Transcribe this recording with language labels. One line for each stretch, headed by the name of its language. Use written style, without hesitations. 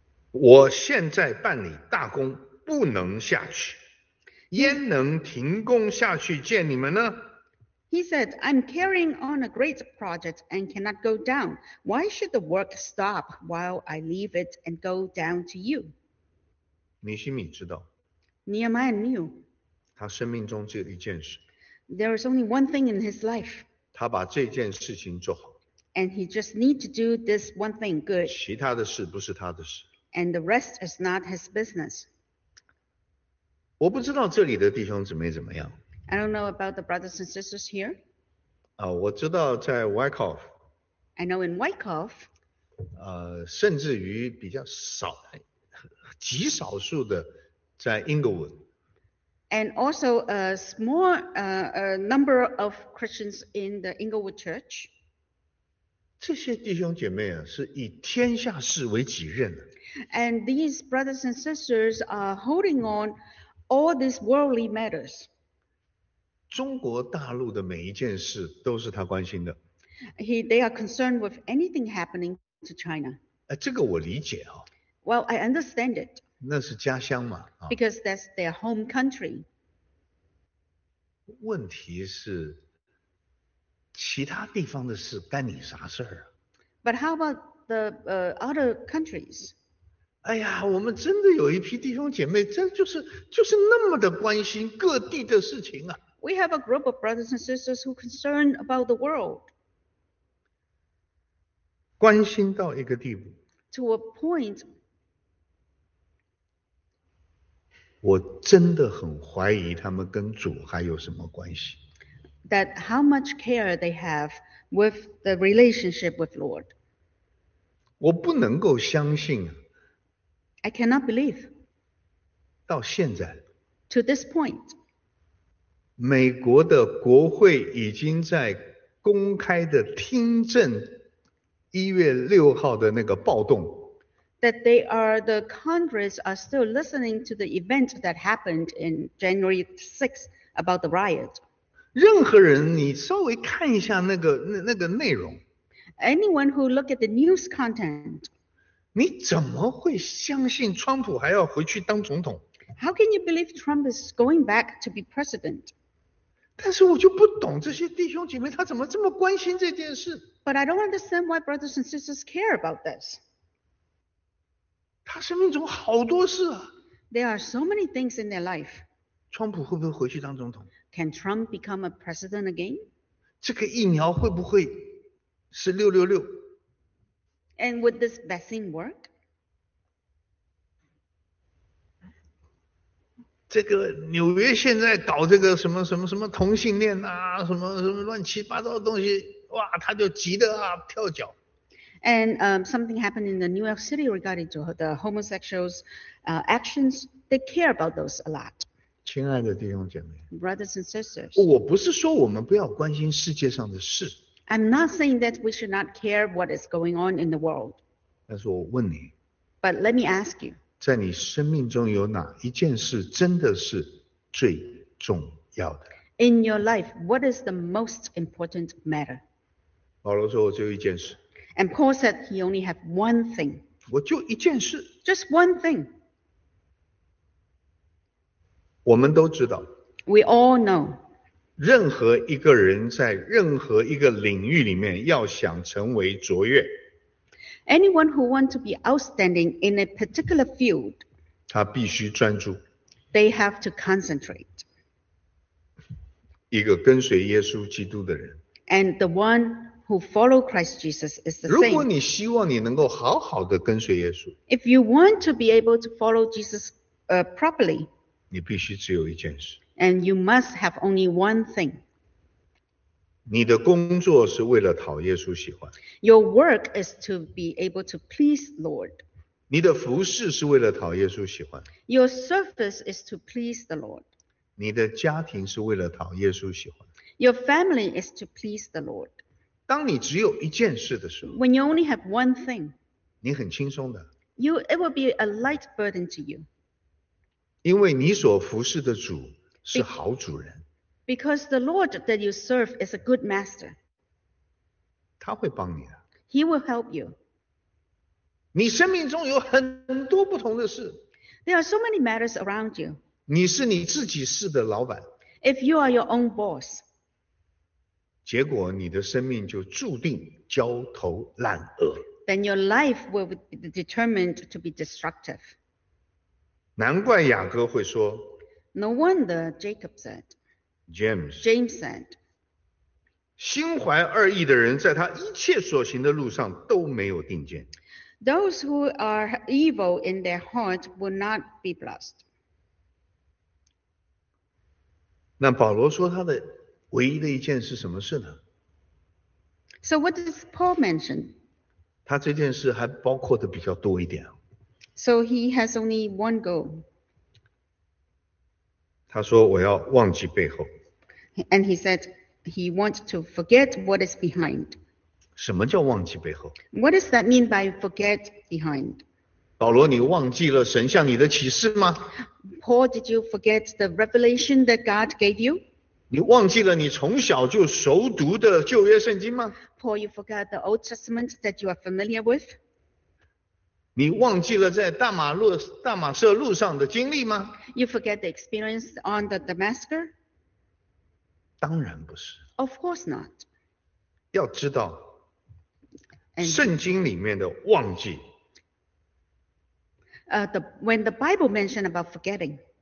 Chinese: 我现在办理大功，不能下去，焉能停工下去见你们呢
English: ？He said, "I'm carrying on a great project and cannot go down. Why should the work stop while I leave it and go down to you?"
Chinese: 尼希米知道。
English: Nehemiah knew.
Chinese: 他生命中只有一件事。
English: There is only one thing in his life.
Chinese: 他把这件事情做好。
English: And he just need to do this one thing good.
Chinese: 其他的事不是他的事。
English: And the rest is not his business.
Chinese: 我不知道这里的弟兄姊妹怎么样。
English: I don't know about the brothers and sisters here.
Chinese: 我知道在 Wyckoff.
English: I know in Wyckoff.
Chinese: 甚至于比较少，极少数的在 Inglewood.
English: And also a small number of Christians in the Inglewood Church.
Chinese: 这些弟兄姐妹啊，是以天下事为己任的。
English: And these brothers and sisters are holding on all these worldly matters.
Chinese: 中国大陆的每一件事都是他关心的。
English: They are concerned with anything happening to China.
Chinese: 这个我理解啊。
English: Well, I understand it.
Chinese: 那是家乡嘛。
English: Because that's their home country.
Chinese: 问题是，其他地方的事干你啥事儿啊？
English: But how about the other countries?
Chinese: 哎呀，我们真的有一批弟兄姐妹，真就是那么的关心各地的事情啊。
English: We have a group of brothers and sisters who are concerned about the world.
Chinese: 关心到一个地步。
English: To a point,
Chinese: 我真的很怀疑他们跟主还有什么关系。
English: That how much care they have with the relationship with Lord.
Chinese: 我不能够相信。
English: I cannot believe.
Chinese: 到现在。
English: To this point.
Chinese: 美国的国会已经在公开的听证1月6号的那个暴动。
English: That they are, the Congress are still listening to the event that happened in January 6th about the riot.
Chinese: 任何人你稍微看一下那个内容。
English: Anyone who look at the news content.
Chinese: 你怎么会相信川普还要回去当总统？
English: How can you believe Trump is going back to be president?
Chinese: 但是我就不懂这些弟兄姐妹他怎么这么关心这件事。
English: But I don't understand why brothers and sisters care about this.
Chinese: 他生命中好多事啊。
English: There are so many things in their life.
Chinese: 川普会不会回去当总统？
English: Can Trump become a president again?
Chinese: 这个疫苗会不会是666？
English: And would this vaccine work?
Chinese: 这个纽约现在搞这个什么什么什么同性恋啊，什么什么乱七八糟的东西。哇，他就急得啊跳脚。
English: And something happened in the New York City regarding to the homosexuals' actions. They care about those a lot.
Chinese: 亲爱的弟兄姐妹
English: ，brothers and sisters，
Chinese: 我不是说我们不要关心世界上的事。
English: I'm not saying that we should not care what is going on in the world.
Chinese: 但是我问你
English: ，But let me ask you，
Chinese: 在你生命中有哪一件事真的是最重要的？
English: In your life, what is the most important matter?
Chinese: 保罗说我只有一件事。
English: And Paul said he only had one thing.
Chinese: 我就一件事。
English: Just one thing.
Chinese: 我们都知道。
English: We all know.
Chinese: 任何一个人在任何一个领域里面要想成为卓越。
English: Anyone who wants to be outstanding in a particular field.
Chinese: 他必须专注。
English: They have to concentrate.
Chinese: 一个跟随耶稣基督的人。
English: And the one who follow Christ Jesus is the same.
Chinese: 如果你希望你能够好好的跟随耶稣。
English: If you want to be able to follow Jesus properly.
Chinese: 你必须只有一件事。
English: And you must have only one thing.
Chinese: 你的工作是为了讨耶稣喜欢。
English: Your work is to be able to please Lord.
Chinese: 你的服事是为了讨耶稣喜欢。
English: Your service is to please the Lord.
Chinese: 你的家庭是为了讨耶稣喜欢。
English: Your family is to please the Lord.
Chinese: 当你只有一件事的时候。
English: When you only have one thing.
Chinese: 你很轻松的。
English: It will be a light burden to you.
Chinese: 因为你所服侍的主是好主人。
English: Because the Lord that you serve is a good master.
Chinese: 他会帮你的。
English: He will help you.
Chinese: 你生命中有很多不同的事。
English: There are so many matters around you.
Chinese: 你是你自己事的老板。
English: If you are your own boss,
Chinese: 结果你的生命就注定焦头烂额。
English: Then your life will be determined to be destructive.
Chinese: 难怪雅各会说。
English: No wonder Jacob said. James said.
Chinese: 心怀二意的人在他一切所行的路上都没有定见。
English: Those who are evil in their heart will not be blessed.
Chinese: 那保罗说他的唯一的一件是什么事呢
English: ？So what does Paul mention？
Chinese: 他这件事还包括的比较多一点。
English: So he has only one goal。
Chinese: 他说我要忘记背后。
English: And he said he wants to forget what is behind。
Chinese: 什么叫忘记背后
English: ？What does that mean by forget behind？
Chinese: 保罗，你忘记了神向你的启示吗
English: ？Paul, did you forget the revelation that God gave you?
Chinese: 你忘记了你从小就熟读的旧约圣经吗
English: ？Paul, you forgot the Old Testament that you are familiar with?
Chinese: 你忘记了在大马色路上的经历吗
English: ？You forget the experience on the Damascus?
Chinese: 当然不是。
English: Of course not.
Chinese: 要知道，圣经里面的忘记。
English: When the Bible mentioned about forgetting,